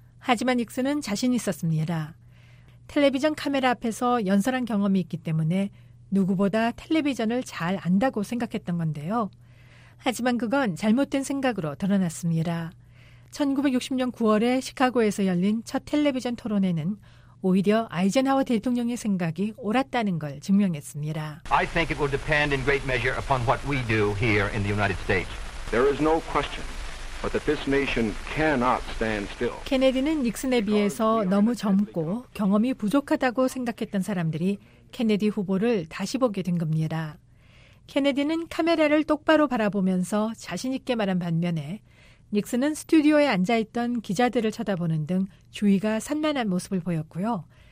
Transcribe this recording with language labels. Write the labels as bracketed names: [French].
[Korean] 하지만 닉슨은 자신 있었습니다. 텔레비전 카메라 앞에서 연설한 경험이 있기 때문에 누구보다 텔레비전을 잘 안다고 생각했던 건데요. 하지만 그건 잘못된 생각으로 드러났습니다. 1960년 9월에 시카고에서 열린 첫 텔레비전 토론회는 오히려 아이젠하워 대통령의 생각이 옳았다는 걸 증명했습니다. [English] I think it will depend in great measure upon what we do here in the United States. There is no question but that this nation cannot stand still. [Korean] 케네디는 닉슨에 비해서 너무 젊고 경험이 부족하다고 생각했던 사람들이 케네디 후보를 다시 보게 된 겁니다. 케네디는 카메라를 똑바로 바라보면서 자신 있게 말한 반면에 닉슨은 스튜디오에 앉아있던 기자들을 쳐다보는 등 주위가 산만한 모습을 보였고요.